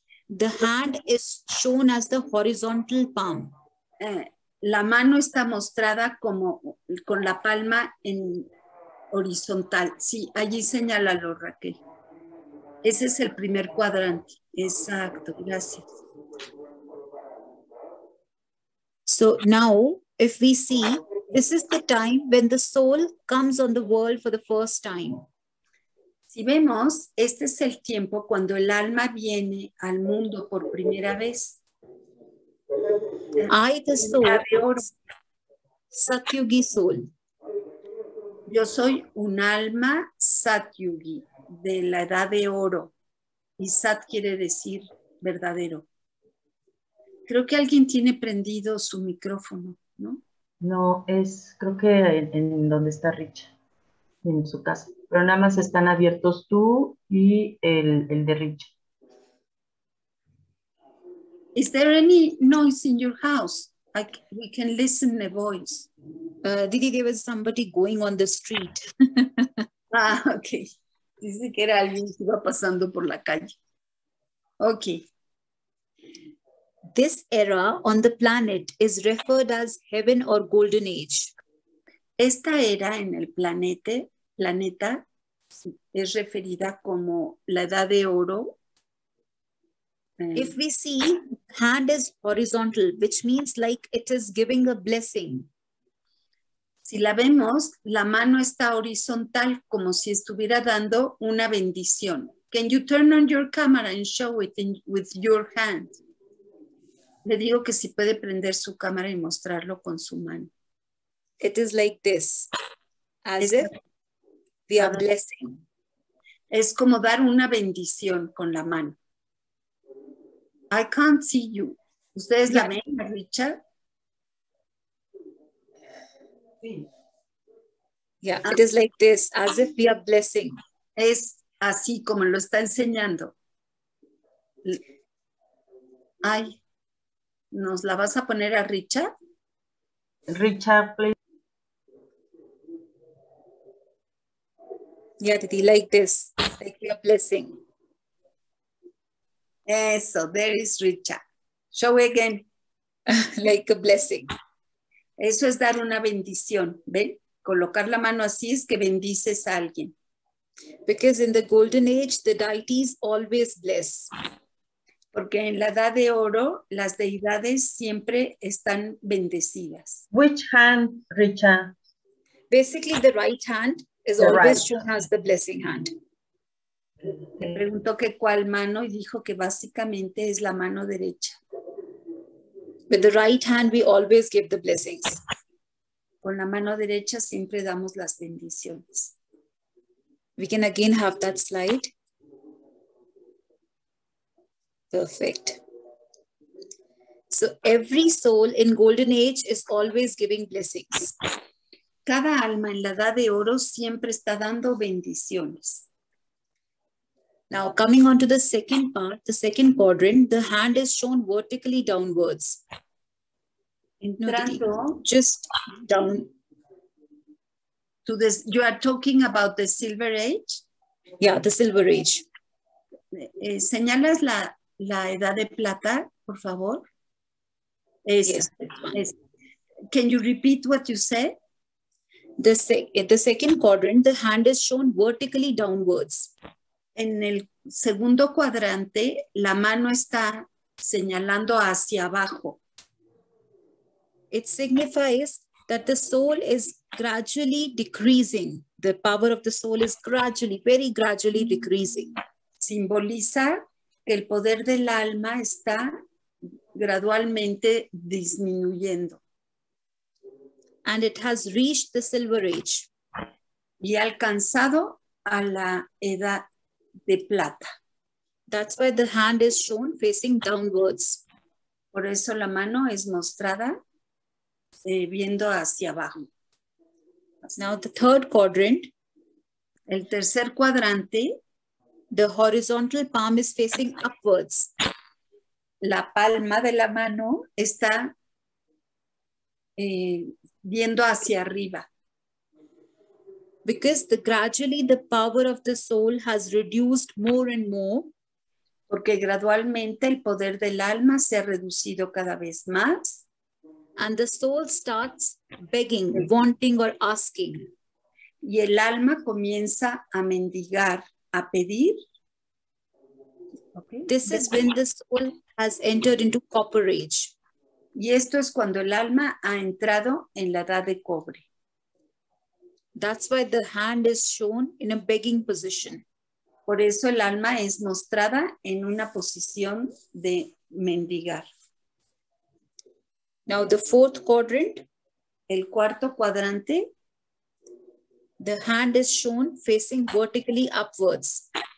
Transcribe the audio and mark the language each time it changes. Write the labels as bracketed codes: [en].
[en] the hand is shown as the horizontal palm. [es] La mano está mostrada como con la palma en horizontal. Sí, allí señálalo, Raquel. Ese es el primer cuadrante. Exacto, gracias. [en] So now, if we see, this is the time when the soul comes on the world for the first time. [es] Si vemos, este es el tiempo cuando el alma viene al mundo por primera vez. [en] I, the soul, Satyugi soul. [es] Yo soy un alma Satyugi, de la edad de oro. Y Sat quiere decir verdadero. Creo que alguien tiene prendido su micrófono, ¿no? No, es, creo que en donde está Rich, en su casa. Pero nada más están abiertos tú y el de Rich. [en] Is there any noise in your house? Like we can listen the voice. Didi, there was somebody going on the street. Ah, okay. [es] Dice que era alguien que iba pasando por la calle. Okay. [en] This era on the planet is referred as heaven or golden age. [es] Esta era en el planeta es referida como la edad de oro. [en] If we see, hand is horizontal, which means like it is giving a blessing. [es] Si la vemos, la mano está horizontal como si estuviera dando una bendición. [en] Can you turn on your camera and show it with your hand? [es] Le digo que si puede prender su cámara y mostrarlo con su mano. [en] It is like this. As if we are blessing. [es] Es como dar una bendición con la mano. [en] I can't see you. [es] ¿Ustedes la ven, [en] Richard? Yeah, it is like this, as if we are blessing. [es] Es así como lo está enseñando. Ay, ¿nos la vas a poner a Richard? [en] Richard, please. Yeah, Titi, like this, like we are blessing. Eso, there is Richard. Show again. Like a blessing. [es] Eso es dar una bendición, ¿ven? Colocar la mano así es que bendices a alguien. [en] Because in the golden age, the deities always bless. [es] Porque en la edad de oro, las deidades siempre están bendecidas. [en] Which hand, Richard? Basically, the right hand is the always right. Shown as the blessing hand. [es] Me preguntó que cuál mano y dijo que básicamente es la mano derecha. [en] With the right hand, we always give the blessings. [es] Con la mano derecha siempre damos las bendiciones. [en] We can again have that slide. Perfect. So every soul in golden age is always giving blessings. [es] Cada alma en la edad de oro siempre está dando bendiciones. [en] Now coming on to the second part, the second quadrant, the hand is shown vertically downwards. [es] Entrando, [en] just down. To this, you are talking about the Silver Age? Yeah, the Silver Age. [es] Señalas la edad de plata, por favor. [en] Can you repeat what you said? The second quadrant, the hand is shown vertically downwards. [es] En el segundo cuadrante, la mano está señalando hacia abajo. [en] It signifies that the soul is gradually decreasing. The power of the soul is gradually, very gradually decreasing. [es] Simboliza que el poder del alma está gradualmente disminuyendo. [en] And it has reached the Silver Age. [es] Y ha alcanzado a la edad de plata. [en] That's why the hand is shown facing downwards. [es] Por eso la mano es mostrada viendo hacia abajo. [en] Now the third quadrant. [es] El tercer cuadrante. [en] The horizontal palm is facing upwards. [es] La palma de la mano está viendo hacia arriba. [en] Because gradually the power of the soul has reduced more and more. [es] Porque gradualmente el poder del alma se ha reducido cada vez más. [en] And the soul starts begging, wanting or asking. [es] Y el alma comienza a mendigar, a pedir. Okay. [en] This is when the soul has entered into copper age. [es] Y esto es cuando el alma ha entrado en la edad de cobre. [en] That's why the hand is shown in a begging position. [es] Por eso el alma es mostrada en una posición de mendigar. [en] Now the fourth quadrant. [es] El cuarto cuadrante. [en] The hand is shown facing vertically upwards.